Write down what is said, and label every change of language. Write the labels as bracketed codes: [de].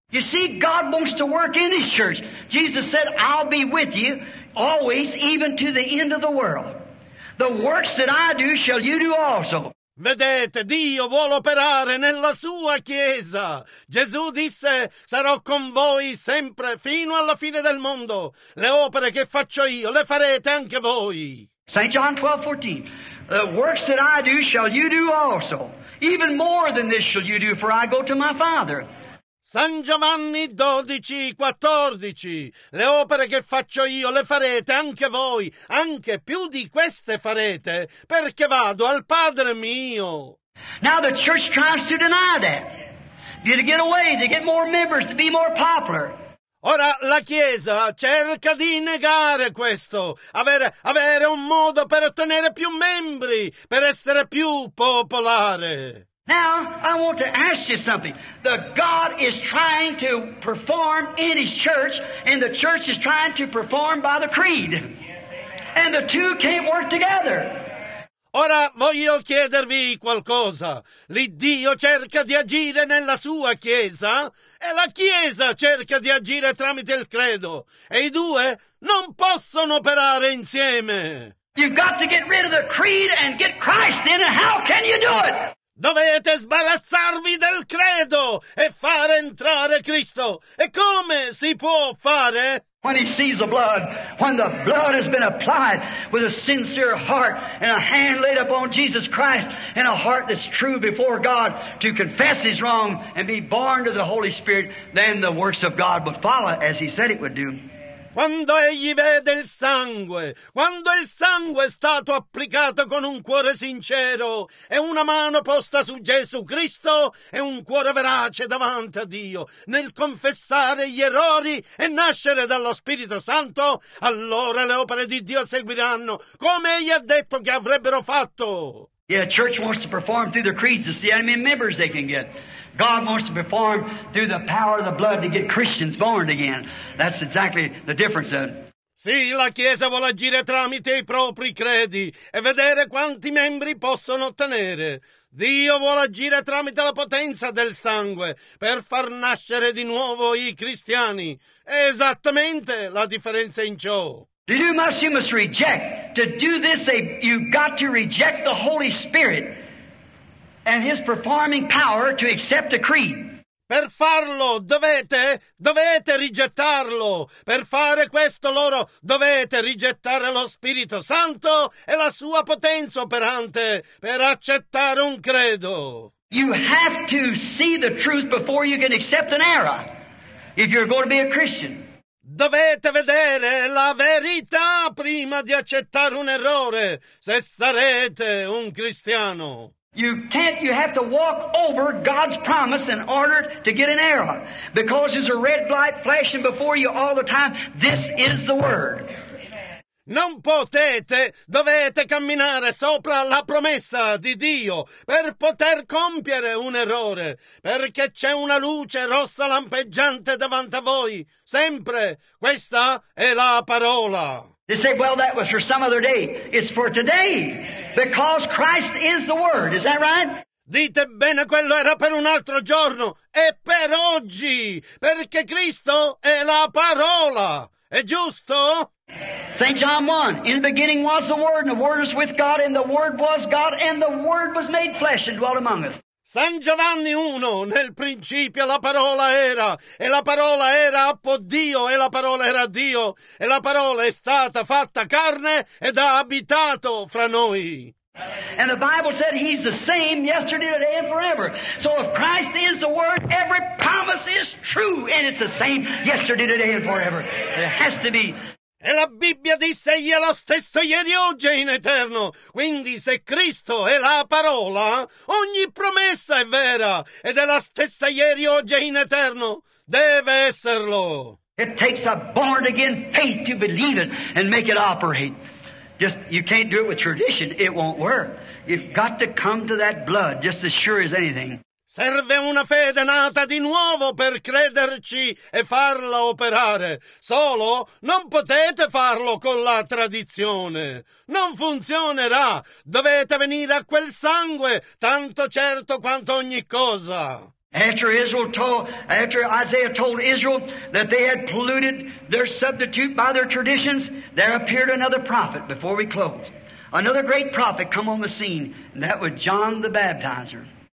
[en] You see, God wants to work in His church. Jesus said, I'll be with you always, even to the end of the world. The works that I do shall you do also. [it] Vedete, Dio vuole operare nella sua Chiesa. Gesù disse, sarò con voi sempre, fino alla fine del mondo. Le opere che faccio io, le farete anche voi. [en] St. John 12:14. The works that I do, shall you do also. Even more than this shall you do, for I go to my Father. [it] San Giovanni 12:14. Le opere che faccio io le farete anche voi, anche più di queste farete, perché vado al Padre mio. [en] Now the church tries to deny that. To get away, to get more members, to be more popular. [it] Ora la Chiesa cerca di negare questo, avere un modo per ottenere più membri, per essere più popolare. [en] Now, I want to ask you something. The God is trying to perform in His church, and the church is trying to perform by the creed. And the two can't work together. [it] Ora voglio chiedervi qualcosa. L'Iddio cerca di agire nella sua Chiesa e la Chiesa cerca di agire tramite il credo. E i due non possono operare insieme. [en] You've got to get rid of the creed and get Christ in it. How can you do it? [it] Dovete sbarazzarvi del credo e far entrare Cristo. E come si può fare? [en] When he sees the blood, when the blood has been applied with a sincere heart and a hand laid upon Jesus Christ and a heart that's true before God to confess his wrong and be born to the Holy Spirit, then the works of God would follow as he said it would do. [it] Quando egli vede il sangue, quando il sangue è stato applicato con un cuore sincero e una mano posta su Gesù Cristo e un cuore verace davanti a Dio nel confessare gli errori e nascere dallo Spirito Santo, allora le opere di Dio seguiranno come egli ha detto che avrebbero fatto. [en] Yeah, the church wants to perform through the creeds to see how many members they can get. God wants to perform through the power of the blood to get Christians born again. That's exactly the difference of it. [it] Sì, la Chiesa vuole agire tramite i propri credi e vedere quanti membri possono ottenere. Dio vuole agire tramite la potenza del sangue per far nascere di nuovo i cristiani. È esattamente la differenza in ciò. [en] You must reject. To do this, you've got to reject the Holy Spirit and his performing power to accept the creed. [it] Per farlo dovete rigettarlo. Per fare questo loro dovete rigettare lo Spirito Santo e la sua potenza operante per accettare un credo. [en] You have to see the truth before you can accept an error if you're going to be a Christian. [it] Dovete vedere la verità prima di accettare un errore se sarete un cristiano. [en] You have to walk over God's promise in order to get an error. Because there's a red light flashing before you all the time. This is the word. [it] Non potete, dovete camminare sopra la promessa di Dio per poter compiere un errore. Perché c'è una luce rossa lampeggiante davanti a voi. Sempre. Questa è la parola. [en] They say, well, that was for some other day. It's for today. Because Christ is the Word, is that right? [it] Dite bene, quello era per un altro giorno, è per oggi, perché Cristo è la parola, è giusto? [en] St. John 1, in the beginning was the Word, and the Word was with God, and the Word was God, and the Word was made flesh and dwelt among us. [it] San Giovanni 1, nel principio la parola era, e la parola era appo Dio, e la parola era Dio, e la parola è stata fatta carne ed ha abitato fra noi. [en] And the Bible said he's the same yesterday, today, and forever. So if Christ is the Word, every promise is true, and it's the same yesterday, today, and forever. It has to be. [it] E la Bibbia disse egli è lo stesso ieri, oggi e in eterno. Quindi se Cristo è la parola, ogni promessa è vera. Ed è la stessa ieri, oggi e in eterno. Deve esserlo. [en] It takes a born again faith to believe it and make it operate. Just, you can't do it with tradition. It won't work. You've got to come to that blood just as sure as anything. [it] Serve una fede nata di nuovo per crederci e farla operare. Solo non potete farlo con la tradizione. Non funzionerà. Dovete venire a quel sangue, tanto certo quanto ogni cosa. [en] After Isaiah told Israel that they had polluted their substitute by their traditions, there appeared another prophet before we closed. Another great prophet come on the scene, and that was John the Baptizer.